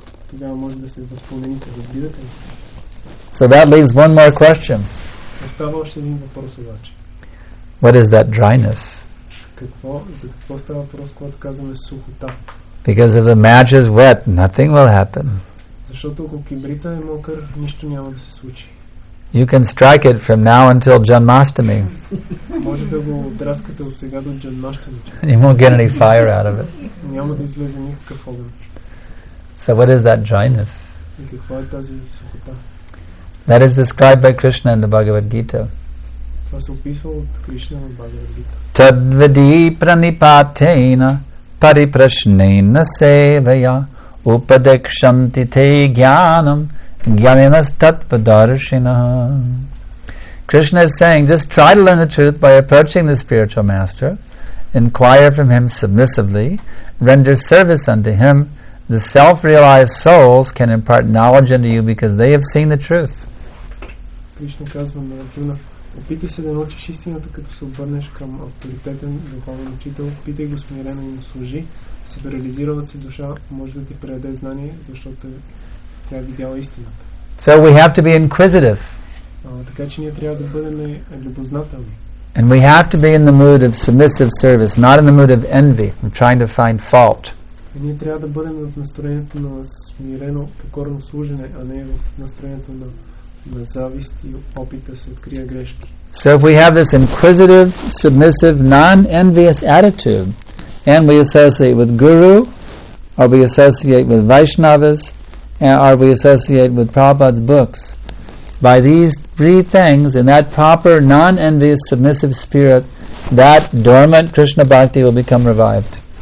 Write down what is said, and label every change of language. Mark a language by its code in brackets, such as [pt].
[bg] Тогава може да се възпомените, разбирате ли? [en] So that leaves one more question. [bg] Остава още един въпрос обаче. [en] What is that dryness? [bg] Какво, за какво става въпрос, когато казваме сухота? [en] Because if the match is wet, nothing will happen. [bg] Защото ако кибрита е мокър, нищо няма да се случи. [en] You can strike it from now until Janmashtami. [bg] Може да го драскате от сега до Janmashtami. [en] And you won't get any fire out of it. [bg] Няма да излезе никакъв огън. [en] So what is that dryness? [bg] Каква е тази сухота? [en] That is described by Krishna in the Bhagavad Gita. [bg] Това се описва от Кришна в Бхагавад Гита. [sa] Тадведи пранипатена парипрашнена севая упадекшанти те гьянам гьяненастатпадаршинаха. [en] Krishna is saying, just try to learn the truth by approaching the spiritual master, inquire from him submissively, render service unto him, the self-realized souls can impart knowledge unto you because they have seen the truth. [bg] Кришна казва на Арджуна, опитай се да научиш истината, като се обърнеш към авторитетен духовен учител, питай го смирено и му служи, себерализирала си душа, може да ти предаде знание, защото тя е видяла истината. [en] So we have to be inquisitive. [bg] Така че ние трябва да бъдем любознателни. [en] And we have to be in the mood of submissive service, not in the mood of envy, of trying to find fault. [bg] Ние трябва да бъдем в настроението на смирено, покорно служене, а не в настроението на, на завист и опит да се открия грешки. [en] So if we have this inquisitive, submissive, non-envious attitude, and we associate with Guru, or we associate with Vaishnavas, or we associate with Prabhupada's books, by these three things, in that proper, non-envious, submissive spirit, that dormant Krishna Bhakti will become revived.